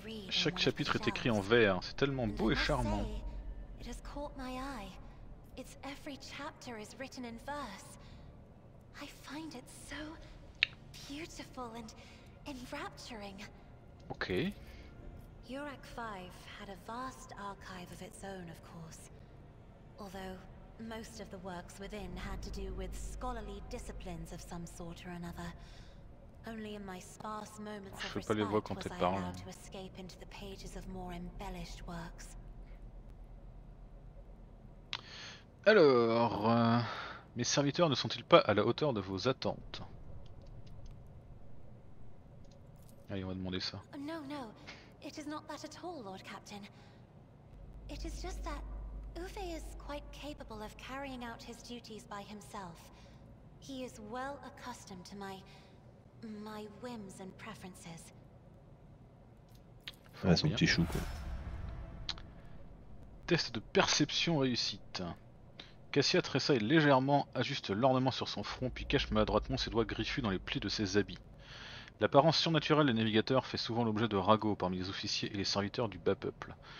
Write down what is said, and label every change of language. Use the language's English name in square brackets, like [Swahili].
[French] Chaque chapitre est écrit en vert, c'est tellement beau et charmant. [English] It has caught my eye. It's every chapter is written in verse. I find it so beautiful and enrapturing. Okay. Yurak 5 had a vast archive of its own, of course. Although most of the works within had to do with scholarly disciplines of some sort or another. Only in my sparse moments of respite was I allowed to escape into the pages of more embellished works. [French] Alors, mes serviteurs ne sont-ils pas à la hauteur de vos attentes? Allez, on va demander ça. Non, non, [English] it is not that at all, Lord Captain. It is just that Uve is quite capable of carrying out his duties by himself. He is well accustomed to my whims and preferences. [French] Ah, son petit chou, quoi. Test de perception réussite. Cassia tressaille légèrement, ajuste l'ornement sur son front, puis cache maladroitement ses doigts griffus dans les plis de ses habits. L'apparence surnaturelle des navigateurs fait souvent l'objet de ragots parmi les officiers et les serviteurs du bas peuple.